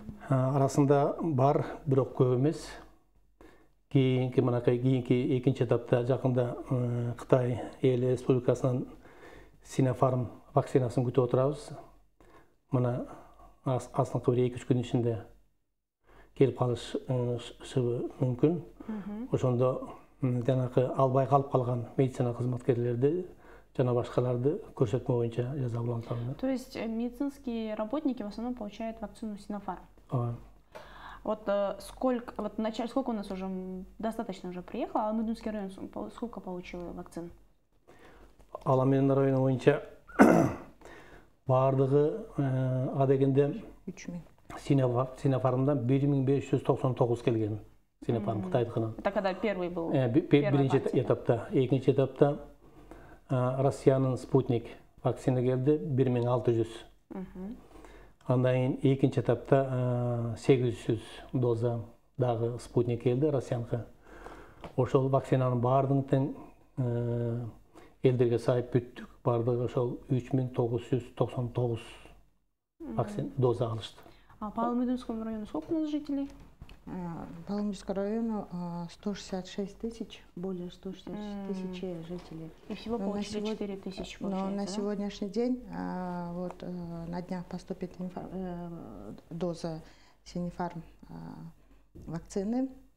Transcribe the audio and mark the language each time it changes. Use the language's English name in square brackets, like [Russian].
[Kyrgyz] Арасында бар, бирок көп эмес. Кийинки мынакай кийинки экинчи этапта жакында Кытай эл республикасынан Синофарм вакцинасын күтүп отурабыз. Мына астыңкы бир 2-3 күндүн ичинде келип калышы мүмкүн. Ошондо жанакы албай калып калган медицина кызматкерлерди жана башкаларды көрсөтмө боюнча жаза улантам. [Russian] То есть медицинские работники в основном получают вакцину Синофарм. Вот сколько, вот начали, сколько у нас уже достаточно уже приехало, а Алмадунский район сколько получил вакцин? [Kyrgyz] Алмадунский район боюнча бардыгы адегенде 3000. Синофармдан 1599 келген. Синофарм Кытайдыкынан. [Russian] Это когда первый был? [Kyrgyz] Биринчи этапта, экинчи этапта Россиянын Спутник вакцина келди 1600. Андан кийин экинчи этапта 800 доза дагы спутник келди Россиянкы. Ошол вакцинанын баардыгын тең элдерге сайып бүттүк. Баардыгы ошол 3999 вакцина доза алышты. [Russian] А Палмадунскому району сколько у нас жителей? Палмадунскому району 166 тысяч, более 166 тысяч жителей. И всего получили 4 тысячи, получается, на сегодняшний день, вот на днях поступит доза Синофарм вакцины.